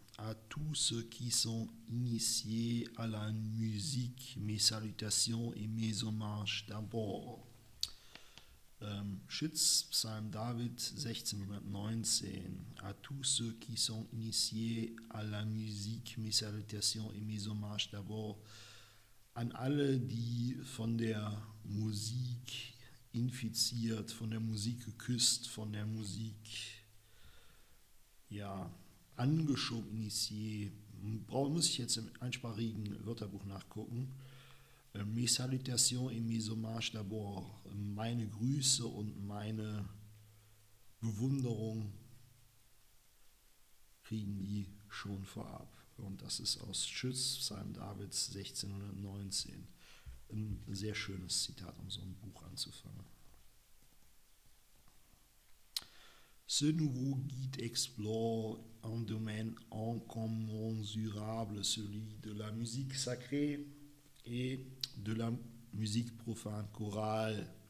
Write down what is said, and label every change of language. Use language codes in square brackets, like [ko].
[fr] À tous ceux qui sont initiés à la musique, mes salutations et mes hommages d'abord. [de] Schütz, Psalm David, 1619. [fr] À tous ceux qui sont initiés à la musique, mes salutations et mes hommages d'abord. [de] An alle, die von der Musik infiziert, von der Musik geküsst, von der Musik ja, angeschoben, initiiert, muss ich jetzt im einsprachigen Wörterbuch nachgucken. [fr] Mes salutations et mes hommages d'abord. [de] Meine Grüße und meine Bewunderung kriegen die schon vorab. Und das ist aus Schütz, Psalm Davids, 1619. Ein sehr schönes Zitat, um so ein Buch anzufangen. [fr] Ce nouveau guide explore un domaine incommensurable, celui de la musique sacrée et de la musique profane, chorale.